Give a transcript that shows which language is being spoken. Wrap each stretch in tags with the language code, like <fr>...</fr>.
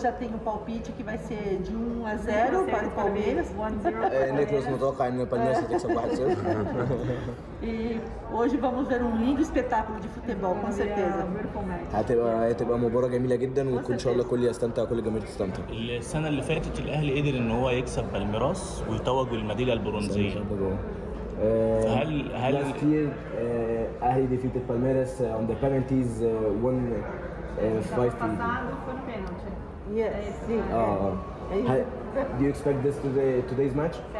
<pt>já tem o palpite que vai ser de 1-0 para o Palmeiras. Nicolas não toca ainda para nós, tem que ser 4-0. E hoje vamos ver um lindo espetáculo de futebol, com certeza.</pt> <ar>هتبقى مباراة جميلة جدا وكل ان شاء الله كل يستمتع وكل جماهير تستمتع. السنة اللي فاتت الأهلي قدر ان هو يكسب بالميراس ويتوج بالميدالية البرونزية. هل</ar> <en>last year أهلي defeated Palmeiras on the penalties 1-5 do you expect this today's match?</en>